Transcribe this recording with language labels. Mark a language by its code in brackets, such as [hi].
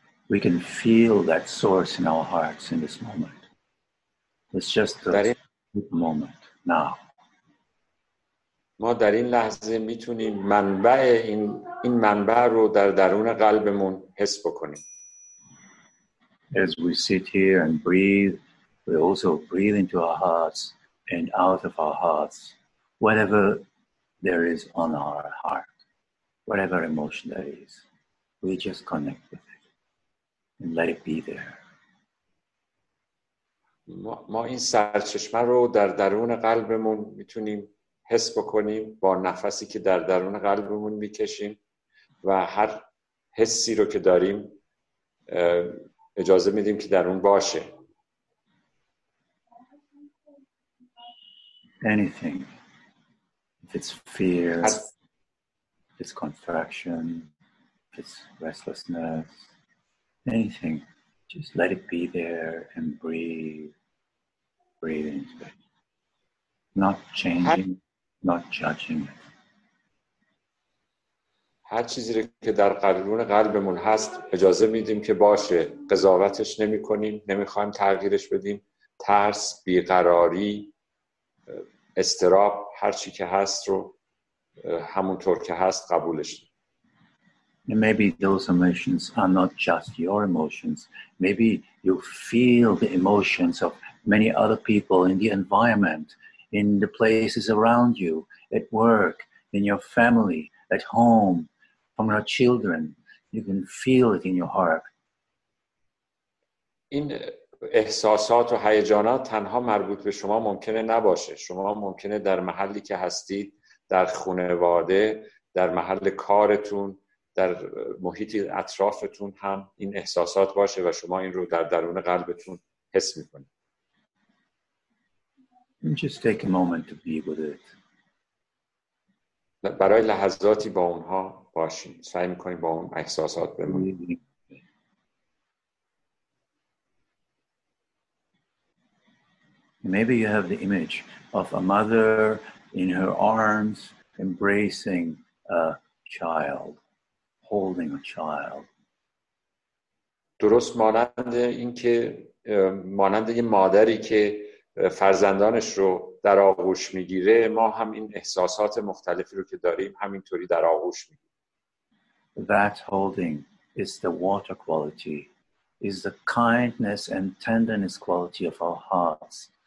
[en] We can feel that source in our hearts in this moment. It's just the moment now. [fa] ما در این لحظه میتونیم منبع این منبع رو در درون قلبمون حس بکنیم. [en] As we sit here and breathe, we also breathe into our hearts and out of our hearts whatever there is on our heart, whatever emotion there is. We just connect with it and let it be there. [fa] ما این سرچشمه رو در درون قلبمون میتونیم حس بکنیم با نفسی که در درون قلبمون میکشیم و هر حسی رو که داریم اجازه میدیم که در اون باشه. [en] Anything, if it's fear, if it's contraction, if it's restlessness, anything, just let it be there and breathe into it. Not changing, not judging it. [fa] هر چیزی که در قرون قلبمون هست اجازه میدیم که باشه، قضاوتش نمی کنیم، نمی خواهیم تغییرش بدیم. ترس، بیقراری، استراب، هر چی که هست رو همونطور که هست قبولش دیم. [en] Maybe those emotions are not just your emotions. Maybe you feel the emotions of many other people in the environment, in the places around you, at work, in your family, at home. From our children, you can feel it in your heart. [fa] این احساسات و هیجانات تنها مربوط به شما ممکنه نباشه. شما ممکنه در محلی که هستید، در خانواده، در محل کارتون، در محیط اطرافتون هم این احساسات باشه و شما این رو در درون قلبتون حس میکنید. [en] Just take a moment to be with it. [fa] برای لحظاتی با اونها باشیم. سعی میکنیم با اون احساسات بمونیم. [en] Maybe you have the image of a mother in her arms embracing a child, holding a child. [fa] درست مانند این که مانند یه مادری که فرزندانش رو در آغوش میگیره، ما هم این احساسات مختلفی رو که داریم همینطوری در آغوش میگیریم. [en] That holding is the water quality, is the kindness and tenderness quality of our hearts.